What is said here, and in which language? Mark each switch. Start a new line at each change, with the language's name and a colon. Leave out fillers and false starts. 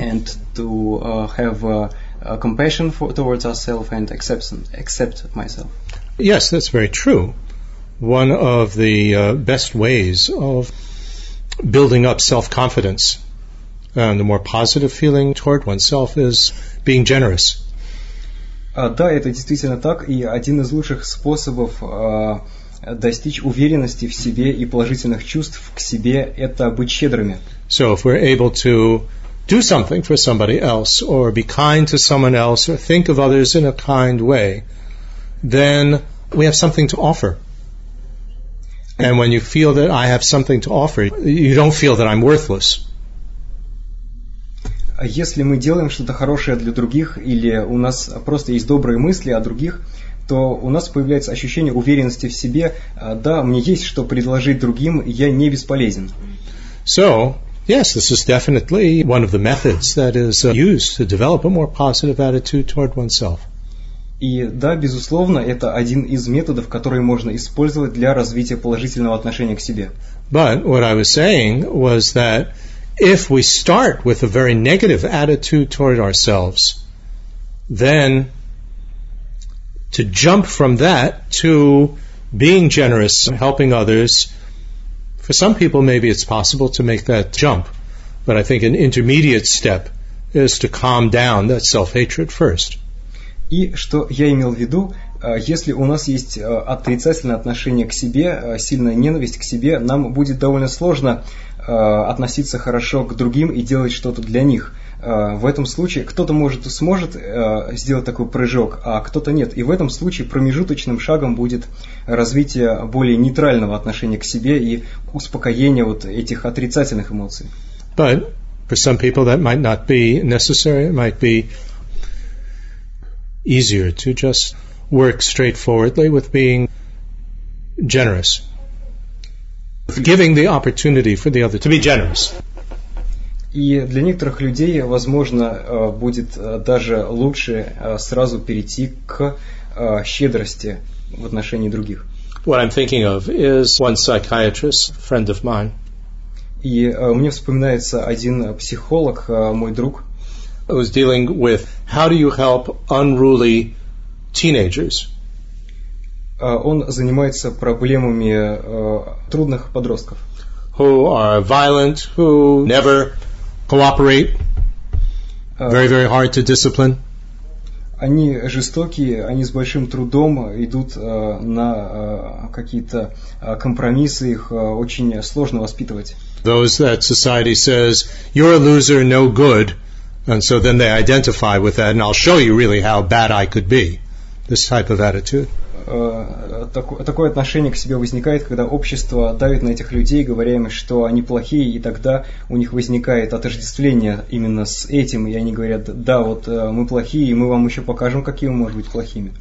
English: And to have compassion for towards ourselves and accept myself. Yes, that's very true. One of the best ways of building up self-confidence and a more positive feeling toward oneself is being generous.
Russian: Да, это действительно так, и один из лучших способов достичь уверенности в себе и положительных чувств к себе – это быть щедрыми.
English: So if we're able to do something for somebody else, or be kind to someone else, or think of others in a kind way, then we have something to offer. And when you feel that I have something to offer, you don't feel that I'm worthless.
Russian: Если мы делаем что-то хорошее для других, или у нас просто есть добрые мысли о других, то у нас появляется ощущение уверенности в себе. Да, мне есть что предложить другим, я не бесполезен.
English: So, yes, this is definitely one of the methods that is used to develop a more positive attitude toward oneself.
Russian: И да, безусловно, это один из методов, который можно использовать для развития положительного отношения к себе.
English: But what I was saying was that if we start with a very negative attitude toward ourselves, then to jump from that to being generous and helping others, for some people maybe it's possible to make that jump. But I think an intermediate step is to calm down that self-hatred first.
Russian: И что я имел в виду, если у нас есть отрицательное отношение к себе, сильная ненависть к себе, нам будет довольно сложно относиться хорошо к другим и делать что-то для них. В этом случае кто-то может сможет сделать такой прыжок, а кто-то нет. И в этом случае промежуточным шагом будет развитие более нейтрального отношения к себе и успокоение вот этих отрицательных эмоций.
English: But for some people that might not be necessary. It might be easier to just work straightforwardly with being generous. Giving the opportunity for the other to be generous.
Russian: И для некоторых людей, возможно, будет даже лучше сразу перейти к щедрости в отношении других.
English: What I'm thinking of is one psychiatrist, friend of mine.
Russian: И мне вспоминается один психолог, мой друг.
English: I was dealing with how do you help unruly teenagers?
Russian: Он занимается проблемами трудных подростков.
English: Who are violent, who never cooperate, very, very hard to discipline.
Russian: Они жестокие, они с большим трудом идут на какие-то компромиссы, их очень сложно воспитывать.
English: Those that society says, you're a loser, no good. And so then they identify with that, and I'll show you really how bad I could be. This type of attitude.
Russian: такое отношение к себе возникает, когда общество давит на этих людей, говоря им, что они плохие, и тогда у них возникает отождествление именно с этим, и они говорят: да, вот мы плохие, и мы вам еще покажем, какие мы можем быть плохими.